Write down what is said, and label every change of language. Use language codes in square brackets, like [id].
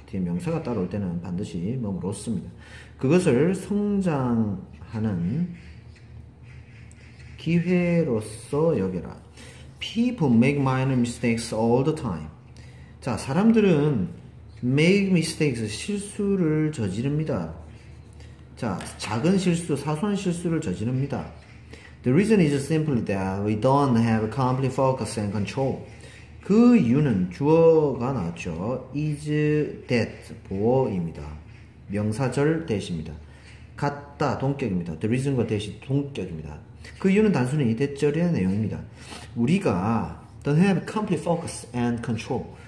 [ko] 뒤에 명사가 따로 올 때는 반드시 뭐뭐로써입니다. 그것을 성장하는 기회로써 여겨라. [en] People make minor mistakes all the time. [ko] 자, 사람들은 [en] make mistakes, [ko] 실수를 저지릅니다. 자, 작은 실수, 사소한 실수를 저지릅니다. [en] The reason is simply that we don't have a complete focus and control. [ko] 그 이유는 주어가 나왔죠. is that 보어입니다. 명사절 대시입니다. 같다 동격입니다. The reason과 대시 동격입니다. 그 이유는 단순히 대절의 내용입니다. 우리가 [en] don't have complete focus and control.